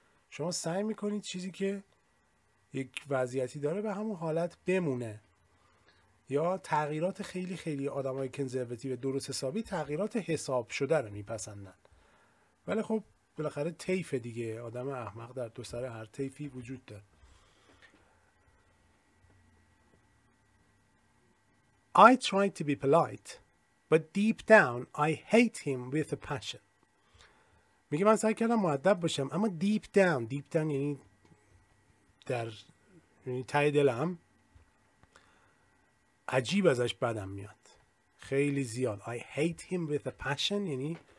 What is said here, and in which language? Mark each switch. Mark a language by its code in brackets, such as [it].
[fa] شما سعی میکنید چیزی که یک وضعیتی داره به همون حالت بمونه. یا تغییرات خیلی خیلی آدمای کنزرواتیو درست حسابی تغییرات حساب شده رو میپسندن. ولی خب بالاخره طیف دیگه، آدم احمق در دو سر هر طیفی وجود داره. [en] I tried to be polite, but deep down I hate him with a passion. [fa] میگه من سعی کردم مؤدب باشم اما [en] deep down [fa] یعنی در یعنی ته دلم عجیب ازش بدم میاد. خیلی زیاد. [en] I hate him with a passion [fa] یعنی